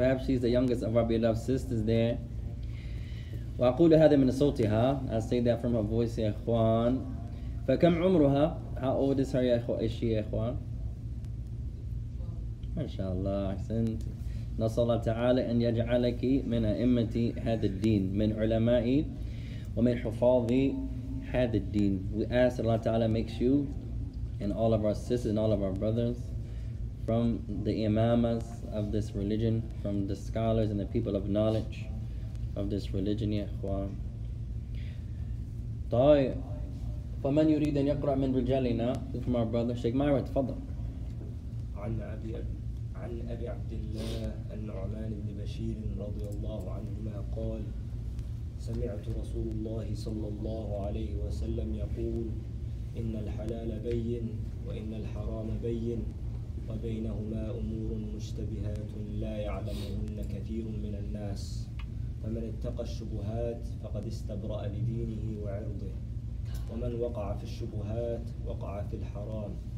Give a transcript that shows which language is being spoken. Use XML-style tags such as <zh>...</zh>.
<en>Perhaps she's the youngest of our beloved sisters there.</en> <ar>وأقول هذا من صوتها.</ar> <en>I say that from her voice يا إخوان.</en> <ar>فكم عمرها؟</ar> <en>How old is her</en> <ar>يا إخوان؟ إيش يا إخوان؟ ما شاء الله أحسنتي. نسأل الله تعالى أن يجعلك من أئمة هذا الدين من علماء ومن حفاظ هذا الدين.</ar> <en>We ask that Allah Ta'ala makes you and all of our sisters and all of our brothers from the imamas of this religion, from the scholars and the people of knowledge of this religion, Ya Ikhwan.</en> <ar>طيب فمن يريد أن يقرأ من رجالنا</ar> <en>from our brother Sheikh Myra,</en> <ar>تفضل. عن أبي عبد الله النعمان بن بشير رضي الله عنهما قال سمعت رسول الله صلى الله عليه وسلم يقول إن الحلال بين وإن الحرام بين وبينهما أمور مشتبهات لا يعلمهن كثير من الناس فمن اتقى الشبهات فقد استبرأ لدينه وعرضه ومن وقع في الشبهات وقع في الحرام</ar>